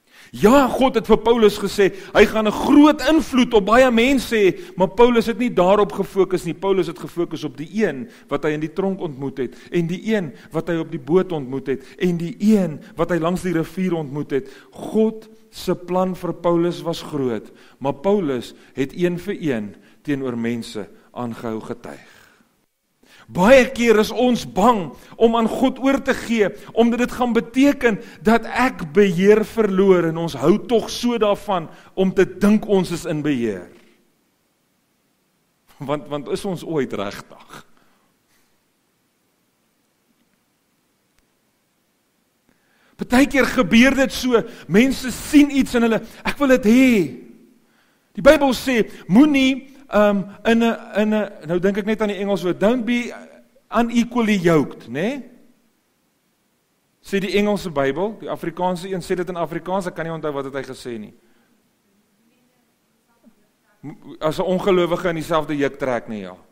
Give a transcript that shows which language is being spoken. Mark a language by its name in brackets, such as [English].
[Afrikaans] Ja, God het vir Paulus gesê, hy gaan 'n groot invloed op baie mense hê, maar Paulus het nie daarop gefokus nie, Paulus het gefokus op die een wat hy in die tronk ontmoet het, en die een wat hy op die boot ontmoet het, en die een wat hy langs die rivier ontmoet het. God se plan vir Paulus was groot, maar Paulus het een vir een teenoor mense aangehou getuig. Baie keer is ons bang om aan God oor te gee, omdat dit gaan beteken dat ek beheer verloor en ons hou toch so daarvan om te dink ons is in beheer. Want is ons ooit regtig? Partykeer gebeur dit so, mense sien iets en hulle, ek wil dit hê. Die Bybel sê, moenie nou denk ek net aan die Engels woord, [English] don't be unequally yoked, [Afrikaans] nee? Sê die Engelse Bybel, die Afrikaanse een, sê dit in Afrikaans, ek kan nie onthou wat het hy gesê nie. As een ongelovige in diezelfde juk trek nie, ja.